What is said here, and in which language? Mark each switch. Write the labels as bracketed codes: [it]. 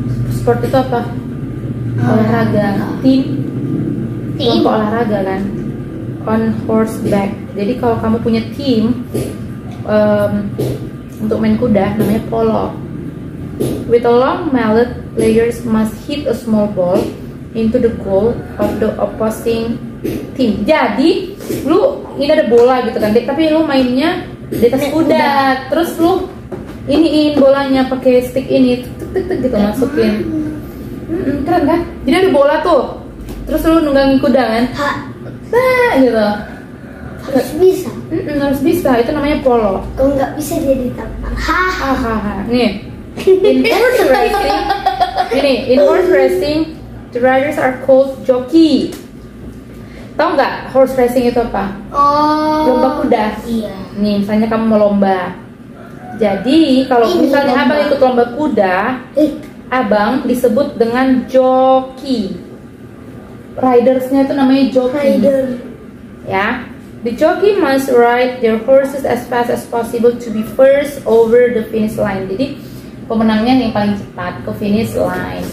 [id] Sport itu apa? Olahraga. Team. Kelompok olahraga kan. [en] On horseback. [id] Jadi kalau kamu punya team untuk main kuda namanya polo. [en] With a long mallet, players must hit a small ball into the goal of the opposing team. [id] Jadi lu ini ada bola gitu kan, tapi lu mainnya di atas kuda. Terus lu iniin bolanya pakai stick ini, tek gitu masukin. Keren kan? Jadi ada bola tuh. Terus lu nunggangin kuda kan? Nah, gitu. Harus bisa. Harus bisa. Itu namanya polo. Kalau enggak bisa dia ditampar. [en] Hahaha. Nih. In horse racing. Ini in horse racing, the riders are called jockey. [id] Tahu nggak horse racing itu apa? Oh, lomba kuda. Iya. Nih misalnya kamu mau lomba. Jadi kalau misalnya lomba. Abang ikut lomba kuda, abang disebut dengan joki. Ridersnya itu namanya joki. [en] Rider. [id] Ya. [en] The jockey must ride their horses as fast as possible to be first over the finish line. [id] Jadi pemenangnya yang paling cepat ke finish line.